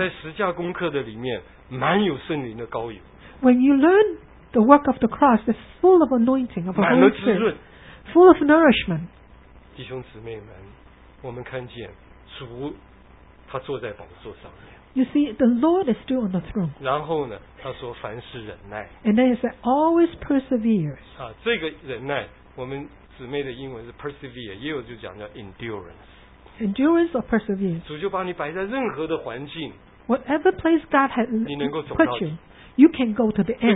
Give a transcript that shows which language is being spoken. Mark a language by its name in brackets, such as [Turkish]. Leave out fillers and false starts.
[Chinese] 在十架功课的里面满有圣灵的膏油。 [English] When you learn the work of the cross, it's full of anointing, of a Holy Spirit. Full of nourishment. [Chinese] 弟兄姊妹们我们看见主他坐在宝座上面。 [English] You see, the Lord is still on the throne. [Chinese] 然后呢他说凡事忍耐。 [English] And then he said, always perseveres. [Chinese] 啊这个忍耐我们姊妹的英文是 persevere, 也有就讲叫 endurance. [English] Endurance or perseverance. [Chinese] 主就把你摆在任何的环境。 [English] Whatever place God had put you, you can go to the end.